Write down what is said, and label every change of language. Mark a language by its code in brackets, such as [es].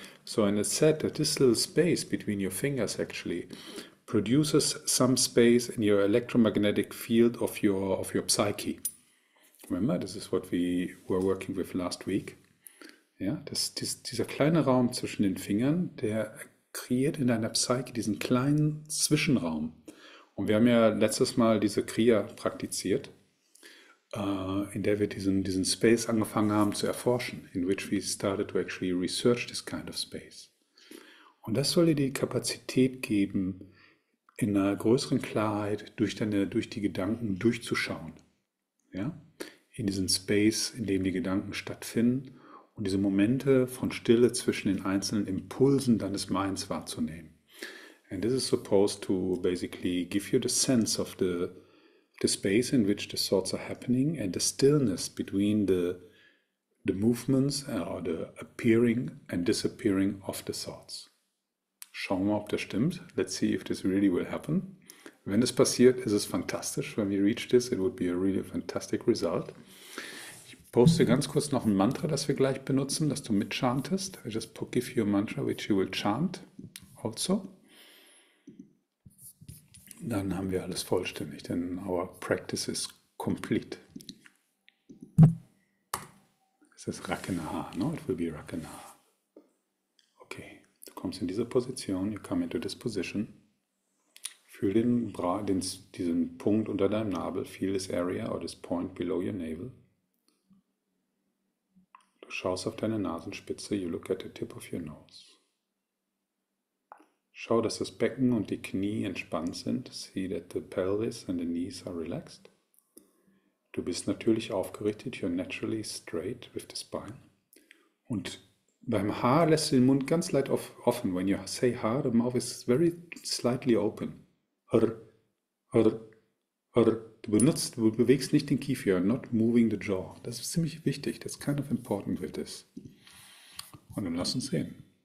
[en] So, and it said that this little space between your fingers actually produces some space in your electromagnetic field of your psyche. Remember, this is what we were working with last week. [de] Ja, dieser kleine Raum zwischen den Fingern, der kreiert in deiner Psyche diesen kleinen Zwischenraum. Und wir haben ja letztes Mal diese Kriya praktiziert, in der wir diesen Space angefangen haben zu erforschen, [en] in which we started to actually research this kind of space. [de] Und das soll dir die Kapazität geben, in einer größeren Klarheit durch die Gedanken durchzuschauen. Ja? In diesen Space, in dem die Gedanken stattfinden und diese Momente von Stille zwischen den einzelnen Impulsen deines Minds wahrzunehmen. [en] And this is supposed to basically give you the sense of the space in which the thoughts are happening and the stillness between the movements or the appearing and disappearing of the thoughts. [de] Schauen wir mal, ob das stimmt. [en] Let's see if this really will happen. [de] Wenn das passiert, ist es fantastisch. [en] When we reach this, it would be a really fantastic result. [de] Ich poste ganz kurz noch ein Mantra, das wir gleich benutzen, dass du mitchantest. [en] I just give you a mantra, which you will chant also. [de] Dann haben wir alles vollständig, denn [en] our practice is complete. [de] Es ist Rakenaha, no? [en] It will be Rakenaha. [de] Du kommst in diese Position, [en] you come into this position. [de] Fühl diesen Punkt unter deinem Nabel, [en] feel this area or this point below your navel. [de] Du schaust auf deine Nasenspitze, [en] you look at the tip of your nose. [de] Schau, dass das Becken und die Knie entspannt sind, [en] see that the pelvis and the knees are relaxed. [de] Du bist natürlich aufgerichtet, [en] you're naturally straight with the spine. [de] Und beim H lässt du den Mund ganz leicht offen. [en] When you say H, the mouth is very slightly open. [de] R, R, R. Du bewegst nicht den Kiefer, [en] not moving the jaw. [de] Das ist ziemlich wichtig. [en] That's kind of important with this. [de] Und dann lass uns sehen.